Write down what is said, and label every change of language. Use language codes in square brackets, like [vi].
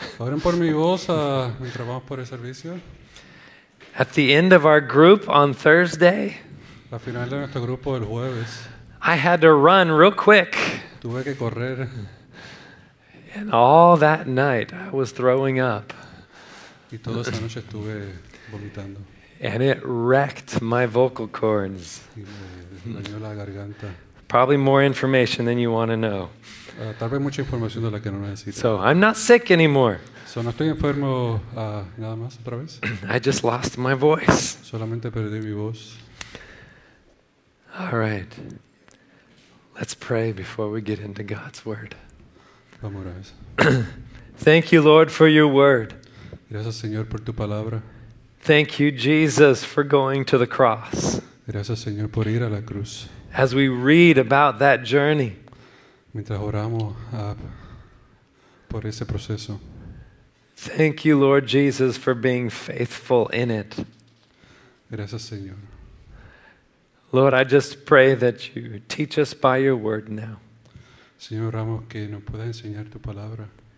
[es] Oren por mi voz mientras vamos por el servicio. [en] At the end of our group on Thursday, [es] al final de nuestro grupo el jueves, [en] I had to run real quick. [es] Tuve que correr. [en] And all that night I was throwing up. [es] Y toda esa noche estuve vomitando. [en] And it wrecked my vocal cords. [es] Y me dañó la garganta. [en] Probably more information than you want to know. [es] Tal vez mucha información de la que no necesito. [en] So I'm not sick anymore. [es] So no estoy enfermo nada más otra vez. [en] I just lost my voice. [es] Solamente perdí mi voz. [en] All right. Let's pray before we get into God's word. [es] Vamos a orar. [en] Thank you, Lord, for your word. [es] Gracias, Señor, por tu palabra. [en] Thank you, Jesus, for going to the cross. [es] Gracias, Señor, por ir a la cruz. [en] As we read about that journey, [es] mientras oramos por ese proceso. [en] Thank you, Lord Jesus, for being faithful in it. [es] Gracias, Señor. [en] Lord, I just pray that you teach us by your word now. [es] Señor, oramos que nos pueda enseñar tu palabra.